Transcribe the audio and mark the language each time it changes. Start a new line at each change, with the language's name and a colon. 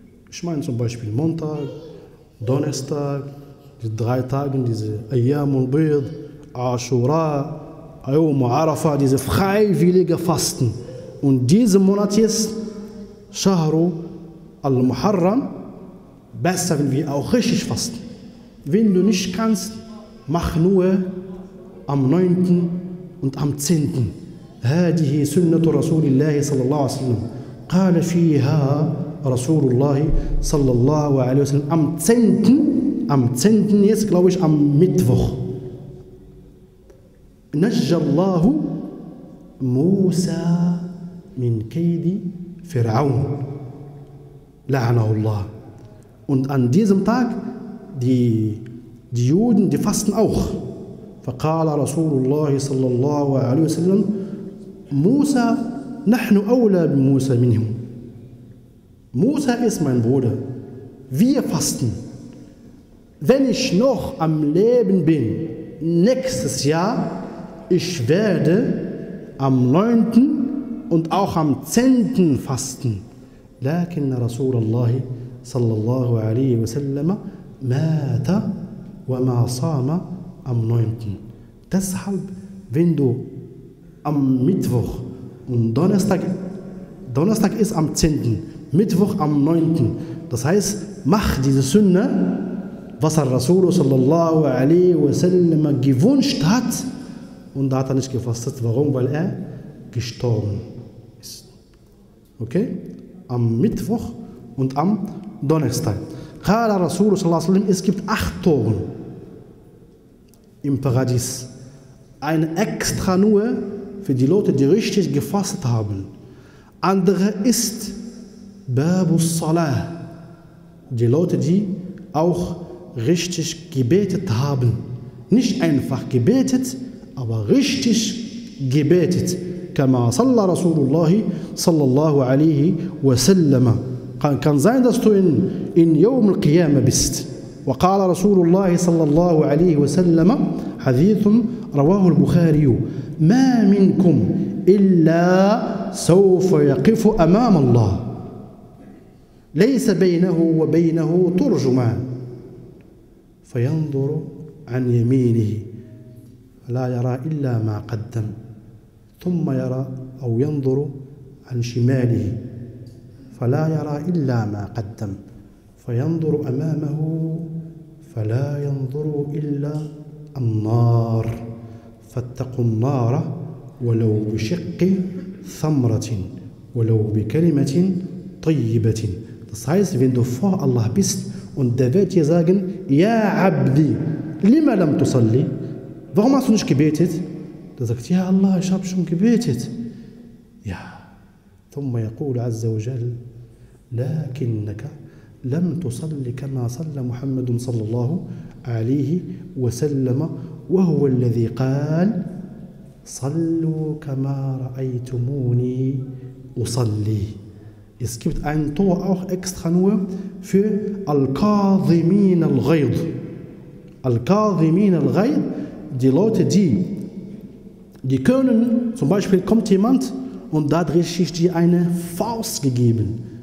German: Ich meine zum Beispiel Montag, Donnerstag, die drei Tage, diese Ayyam al-Bayd, Ashura, Ayyam al-Arafa, diese freiwillige Fasten. Und diesen Monat jetzt, Shahru al-Muharram, besser, wenn wir auch richtig fasten. Wenn du nicht kannst, mach nur am 9. und am 10.
Arabic: هذه سنة رسول الله صلى الله عليه وسلم قال فيها رسول الله صلى الله عليه وسلم
German: am 10. am 10. jetzt glaube ich am Mittwoch
Arabic: نجى الله موسى من كيد فرعون لعنه الله.
German: Und an diesem Tag die Juden, die fasten auch.
Arabic: فقال رسول الله صلى الله عليه وسلم موسى نحن أولى بموسى منهم.
German: موسى ist mein Bruder. Wir fasten. Wenn ich noch am Leben bin, nächstes Jahr, ich werde am 9. und auch am 10. fasten.
Arabic: لكن رسول الله صلى الله عليه وسلم مات وما صام
German: am 9. Deshalb, wenn du am Mittwoch und Donnerstag ist am 10., Mittwoch am 9. Das heißt, mach diese Sünde, was der Rasul sallallahu alaihi wa sallam gewünscht hat, und da hat er nicht gefastet. Warum? Weil er gestorben ist. Okay? Am Mittwoch und am Donnerstag.
Arabic: Qala Rasul sallallahu alaihi wa sallam,
German: es gibt 8 Toren im Paradies. Eine extra nur für die Leute, die richtig gefastet haben. Andere ist Babus Salah. Die Leute, die auch richtig gebetet haben. Nicht einfach gebetet, aber richtig gebetet.
Arabic: Kama salla Rasulullah sallallahu alaihi wa sallam.
German: Kann sein, dass du in Yawm al-Qiyamah bist.
Arabic: Wa qala Rasulullah sallallahu alaihi wa sallam hadithun رواه البخاري ما منكم إلا سوف يقف أمام الله ليس بينه وبينه ترجمان فينظر عن يمينه لا يرى إلا ما قدم ثم يرى أو ينظر عن شماله فلا يرى إلا ما قدم فينظر أمامه فلا ينظر إلا النار فاتقوا النار ولو بشق ثمرة ولو بكلمة طيبة.
German: Das heißt, wenn du vor Allah bist und der wird dir sagen,
Arabic: ja Abdi, lima lam tusalli?
German: Warum hast du nicht gebetet? Der sagt, ja Allah, ich habe schon gebetet. Ja.
Arabic: ثم يقول عز وجل لكنك لم تصلي كما صلى محمد صلى الله عليه وسلم وهو الذي قال صلوا كما رأيتموني أصلي.
German: Es gibt ein Tor auch extra nur für Al-Kadhimin al-Ghayd.
Arabic: الكاظمين الغيظ
German: die Leute, die können zum Beispiel, kommt jemand und da richte ich dir eine Faust gegeben.